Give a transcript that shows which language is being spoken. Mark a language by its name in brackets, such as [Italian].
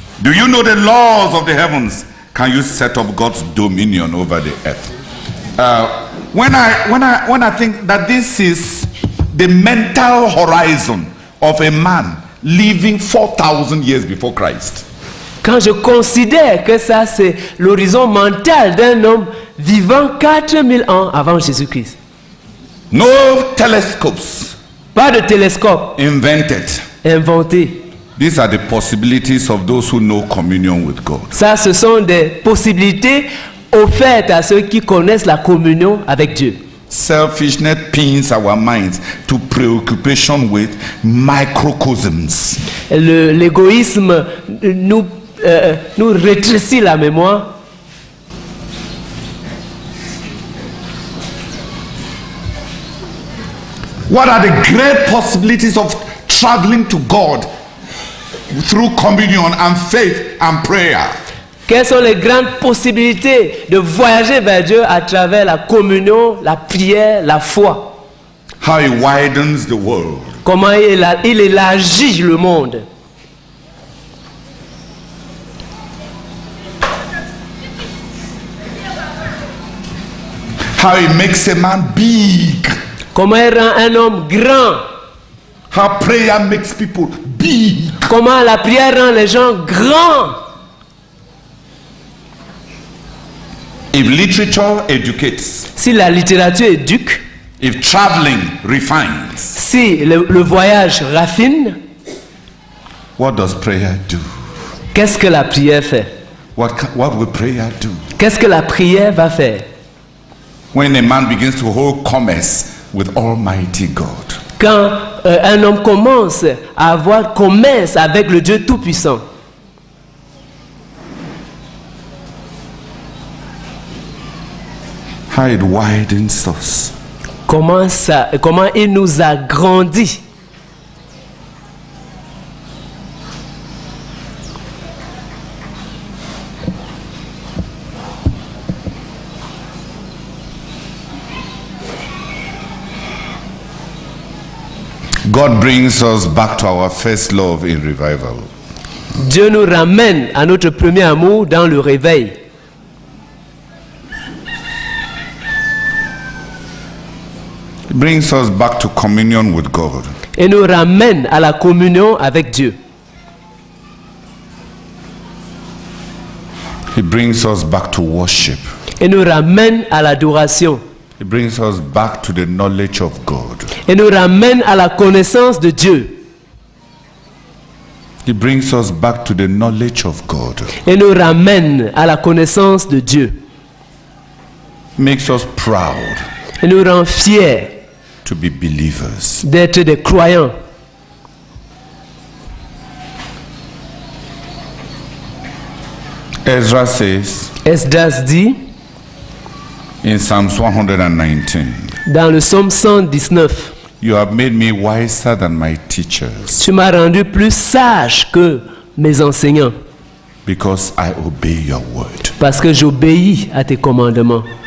[English] Do you know the laws of the heavens? Can you set up God's dominion over the earth? When I think that this is the mental horizon of a man living 4,000 years before Christ. [French] Quand je considère que ça c'est l'horizon mental d'un homme vivant 4000 ans avant Jésus-Christ. [English] No telescopes. [French] Pas de télescope. [English] Invented. [French] Inventé. [English] These are the possibilities of those who know communion with God. [French] Ça, ce sont des possibilités offertes à ceux qui connaissent la communion avec Dieu. [English] Selfishness pins our minds to preoccupation with microcosms. [French] L'égoïsme nous rétrécit la mémoire. [English] What are the great possibilities of traveling to God through communion and faith and prayer? [French] Quelles sont les grandes possibilités de voyager vers Dieu à travers la communion, la prière, la foi? [English] How he widens the world. [French] Comment il élargit le monde. [English] How he makes a man big. [French] Comment il rend un homme grand. [English] How prayer makes people big. [French] Comment la prière rend les gens grands. [English] If literature educates. [French] Si la littérature éduque. [English] If traveling refines. [French] Si le voyage raffine. [English] What does prayer do? [French] Qu'est-ce que la prière fait? [English] What will prayer do? [French] Qu'est-ce que la prière va faire? [English] When a man begins to hold commerce with Almighty God. [French] Quand un homme commence à avoir commerce avec le Dieu Tout-Puissant. [English] How it widens us. [French] Comment il nous a grandi. [English] God brings us back to our first love in revival. [French] Dieu nous ramène à notre premier amour dans le réveil. [English] Brings us back to communion with God. [French] Et nous ramène à la communion avec Dieu. [English] He brings us back to worship. [French] Et nous ramène à l'adoration. [English] He brings us back to the knowledge of God. [French] Et nous ramène à la connaissance de Dieu. [English] He brings us back to the knowledge of God. [French] Et nous ramène à la connaissance de Dieu. [English] Makes us proud. [French] Et nous rend fiers. [English] To be believers. [French] D'être des croyants. [English] Ezra says. [French] Esdras dit. [English] In Psalms 119. [French] Dans le Psaume 119. [English] You have made me wiser than my teachers. [French] Tu m'as rendu plus sage que mes enseignants. [English] Because I obey your word. [French] Parce que j'obéis à tes commandements.